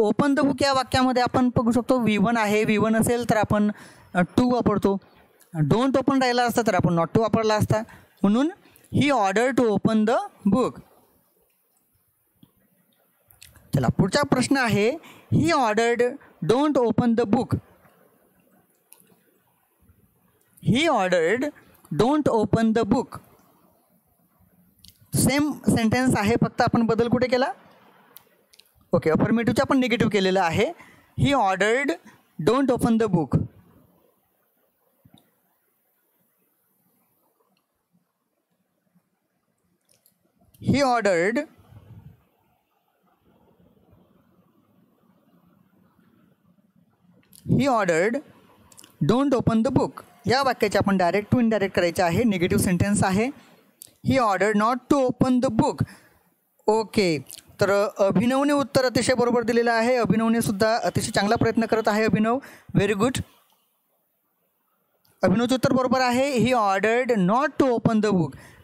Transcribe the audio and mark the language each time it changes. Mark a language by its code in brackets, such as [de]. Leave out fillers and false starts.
[en] open the book [mr] या वाक्यामध्ये आपण बघू शकतो वी वन आहे, वी वन असेल तर आपण टू वापरतो, डोंट ओपन राहिला असता तर आपण नॉट टू वापरला असता. [en] म्हणून he order to open the book. [mr] चला पुढचा प्रश्न आहे, [en] He ordered don't open the book. He ordered don't open the book. [mr] Same sentence आहे, फक्त आपण बदल कुठे केला. ओके, अफर्मेटिव्हचं आपण निगेटिव्ह केलेलं आहे. [en] He ordered don't open the book. He ordered he ordered don't open the book. [mr] या वाक्याचे आपण डायरेक्ट टू इनडायरेक्ट करायचे आहे. निगेटिव्ह सेंटेन्स आहे, [en] He order not to open the book. [mr] Okay, तर अभिनवने उत्तर अतिशय बरोबर दिलेलं आहे. अभिनवने सुद्धा अतिशय चांगला प्रयत्न करत आहे. अभिनव [en] Very good. [mr] अभिनवचं उत्तर बरोबर आहे, [en] He ordered not to open the book.